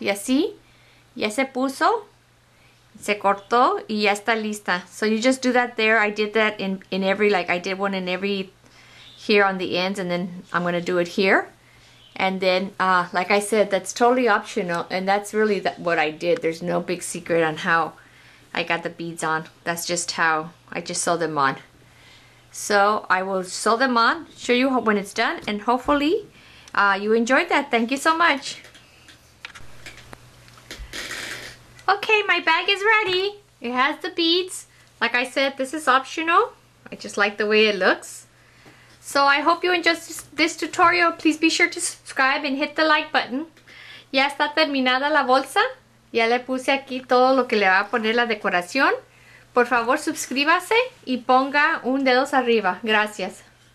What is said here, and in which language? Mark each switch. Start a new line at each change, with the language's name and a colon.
Spanish: Y así, ya se puso, se cortó, y ya está lista.
English: So you just do that there. I did that in every, like I did one in every here on the ends, and then I'm going to do it here. And then, like I said, that's totally optional, and that's really what I did. There's no big secret on how I got the beads on. That's just how I just sew them on. So I will sew them on, show you when it's done, and hopefully you enjoyed that. Thank you so much. Okay, my bag is ready. It has the beads. Like I said, this is optional. I just like the way it looks. So I hope you enjoyed this tutorial. Please be sure to subscribe and hit the like button.
Spanish: Ya está terminada la bolsa. Ya le puse aquí todo lo que le va a poner la decoración. Por favor, suscríbase y ponga un dedo arriba. Gracias.